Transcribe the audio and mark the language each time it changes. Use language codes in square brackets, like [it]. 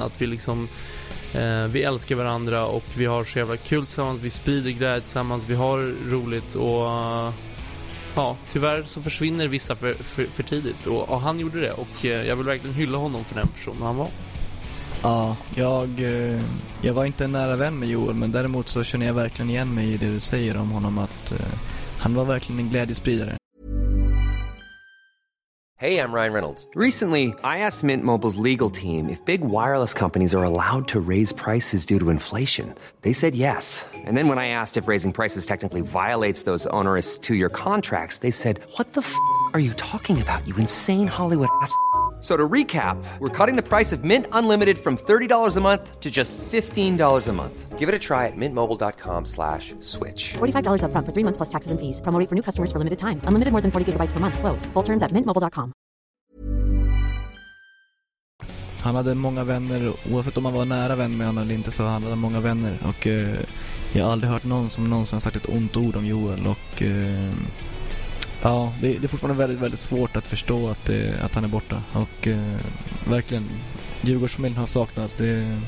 [sv] Att vi liksom, vi älskar varandra och vi har så jävla kul tillsammans. Vi sprider glädje tillsammans, vi har roligt och ja, tyvärr så försvinner vissa för tidigt. Och han gjorde det och jag vill verkligen hylla honom för den personen han var. Ja, jag var inte en nära vän med Joel, men däremot så känner jag verkligen igen mig i det du säger om honom, att han var verkligen en glädjespridare. [en] Hey, I'm Ryan Reynolds. Recently, I asked Mint Mobile's legal team if big wireless companies are allowed to raise prices due to inflation. They said yes. And then when I asked if raising prices technically violates those onerous 2-year contracts, they said, "What the f*** are you talking about, you insane Hollywood ass?" So to recap, we're cutting the price of Mint Unlimited from $30 a month to just $15 a month. Give it a try at mintmobile.com/switch. $45 up front for 3 months plus taxes and fees. Promo rate for new customers for limited time. Unlimited more than 40 gigabytes per month. Slows full terms at mintmobile.com. [sv] Han hade många vänner. Oavsett om han var nära vän med honom eller inte så han hade många vänner. Och Jag har aldrig hört någon som någonsin har sagt ett ont ord om Joel. Och ja, det är fortfarande väldigt, väldigt svårt att förstå att han är borta. Och verkligen, Djurgårdsfamiljen har saknat det.